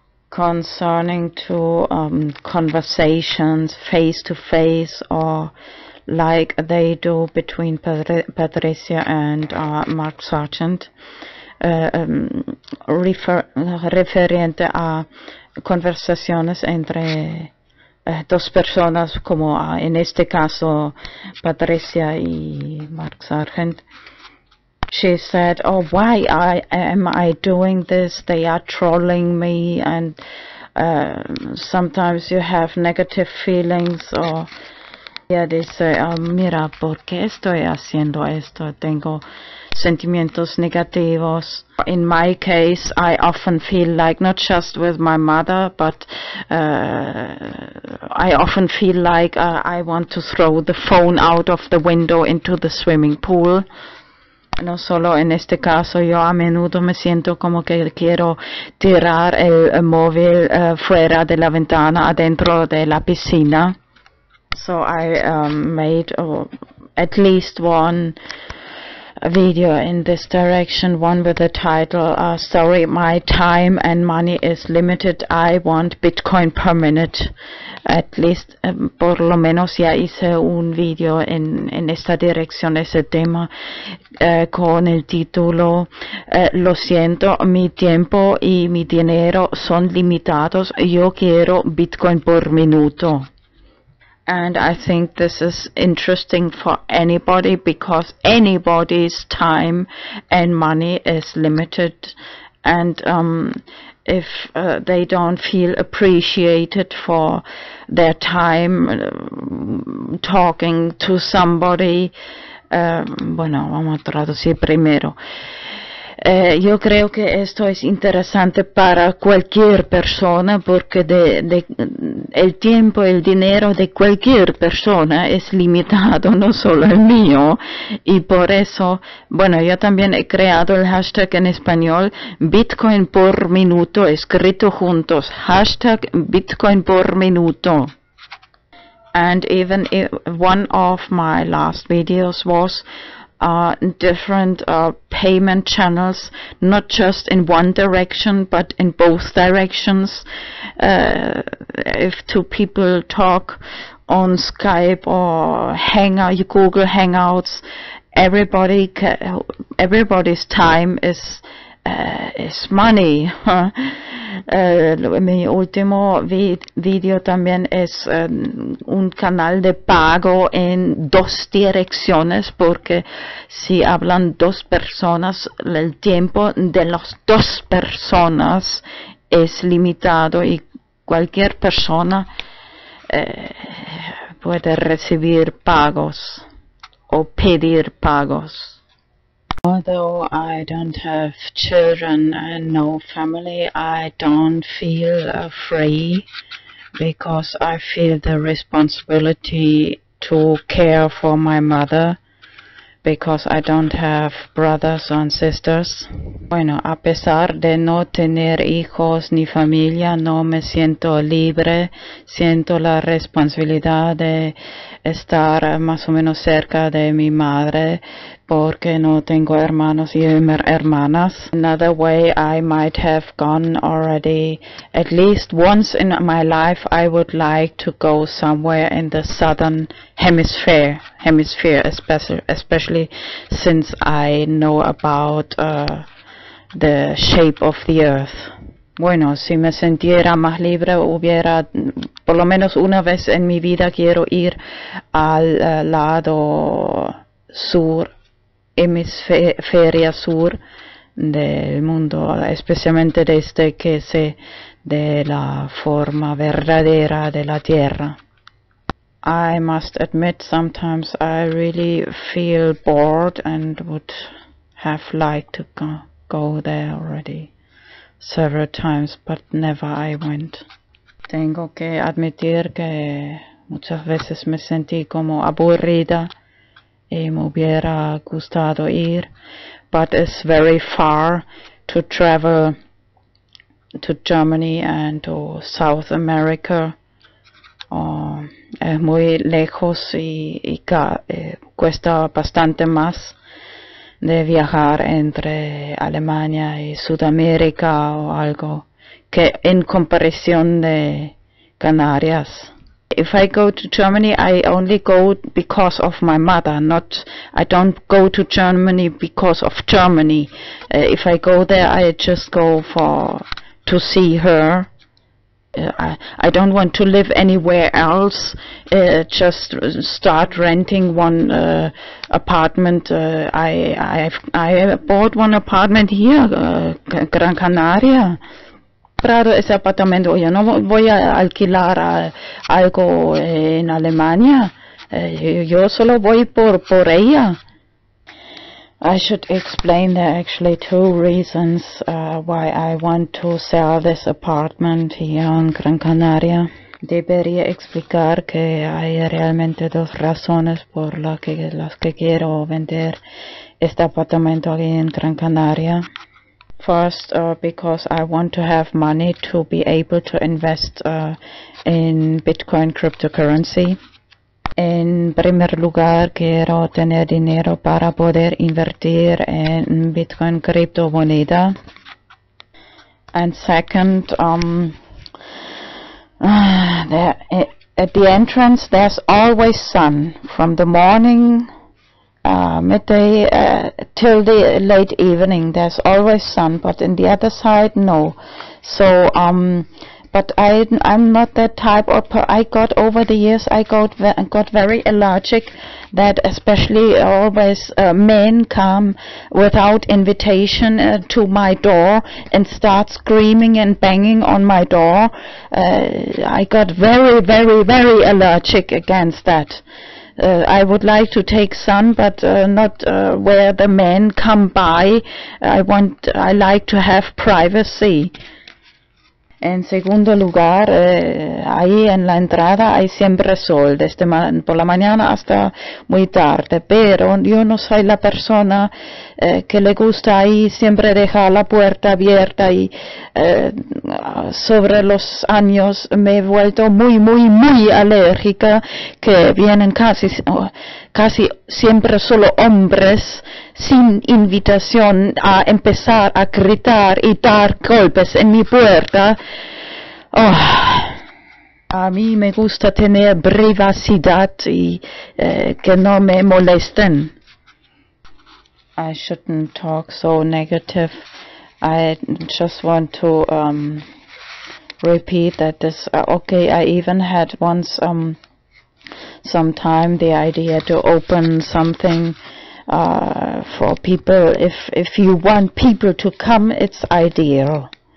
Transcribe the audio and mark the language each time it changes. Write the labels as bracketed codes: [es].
[en] Concerning to conversations face to face, or like they do between Patricia and Mark Sargent, [es] referente a conversaciones entre dos personas, como en este caso Patricia y Mark Sargent. [en] She said, oh, why am I doing this? They are trolling me, and sometimes you have negative feelings. [es] Or ella dice, mira, ¿por qué estoy haciendo esto? Tengo sentimientos negativos. [en] In my case, I often feel like, not just with my mother, but I often feel like I want to throw the phone out of the window into the swimming pool. [es] No solo en este caso, yo a menudo me siento como que quiero tirar el móvil fuera de la ventana, adentro de la piscina. [en] So I made at least one video in this direction, one with the title, sorry, my time and money is limited, I want Bitcoin per minute. At least, [es] por lo menos ya hice un video en esta dirección, ese tema, con el título, lo siento, mi tiempo y mi dinero son limitados, yo quiero Bitcoin por minuto. [en] And I think this is interesting for anybody because anybody's time and money is limited. And if they don't feel appreciated for their time talking to somebody, [es] bueno, vamos a traducir primero. Yo creo que esto es interesante para cualquier persona porque de el tiempo, el dinero de cualquier persona es limitado, no solo el mío. Y por eso, bueno, yo también he creado el hashtag en español, Bitcoin por minuto, escrito juntos, hashtag Bitcoin por minuto. [en] And even if one of my last videos was different payment channels, not just in one direction, but in both directions. If two people talk on Skype or Google Hangouts, everybody's time is money. [es] Mi último video también es un canal de pago en dos direcciones porque si hablan dos personas, el tiempo de las dos personas es limitado y cualquier persona puede recibir pagos o pedir pagos. [en] Although I don't have children and no family, I don't feel free because I feel the responsibility to care for my mother because I don't have brothers and sisters. [es] Bueno, a pesar de no tener hijos ni familia, no me siento libre. Siento la responsabilidad de estar más o menos cerca de mi madre porque no tengo hermanos y hermanas. [en] Another way I might have gone already, at least once in my life, I would like to go somewhere in the southern hemisphere, especially since I know about the shape of the earth. [es] Bueno, si me sintiera más libre, hubiera, por lo menos una vez en mi vida, quiero ir al lado sur, hemisferia sur del mundo, especialmente desde que sé de la forma verdadera de la Tierra. [en] I must admit, sometimes I really feel bored and would have liked to go there already several times, but never I went. [es] Tengo que admitir que muchas veces me sentí como aburrida y me hubiera gustado ir, [en] but it's very far to travel to Germany and to South America. [es] Es muy lejos y cuesta bastante más de viajar entre Alemania y Sudamérica o algo que en comparación de Canarias. [en] If I go to Germany, I only go because of my mother, I don't go to Germany because of Germany. If I go there, I just go to see her. I don't want to live anywhere else, just start renting one apartment. I bought one apartment here, Gran Canaria. [es] Comprado ese apartamento, yo no voy a alquilar algo en Alemania, yo solo voy por ella. [en] I should explain there are actually two reasons why I want to sell this apartment here in Gran Canaria. [es] Debería explicar que hay realmente dos razones por las que quiero vender este apartamento aquí en Gran Canaria. [en] First, because I want to have money to be able to invest in Bitcoin cryptocurrency. [es] En primer lugar, quiero tener dinero para poder invertir en Bitcoin criptomoneda. [en] And second, at the entrance, there's always sun from the morning, midday, till the late evening. There's always sun, but in the other side, no. So, but I'm not that type of. I got over the years. I got very allergic. That especially always men come without invitation to my door and start screaming and banging on my door. I got very, very, very allergic against that. I would like to take sun, but not where the men come by. I like to have privacy. [es] En segundo lugar, ahí en la entrada hay siempre sol, desde por la mañana hasta muy tarde. Pero yo no soy la persona que le gusta ahí siempre dejar la puerta abierta y sobre los años me he vuelto muy, muy, muy alérgica que vienen casi siempre solo hombres sin invitación a empezar a gritar y dar golpes en mi puerta. Oh. A mí me gusta tener privacidad y que no me molesten. [en] I shouldn't talk so negative. I just want to repeat that this okay. I even had once sometime the idea to open something for people. If you want people to come, it's ideal.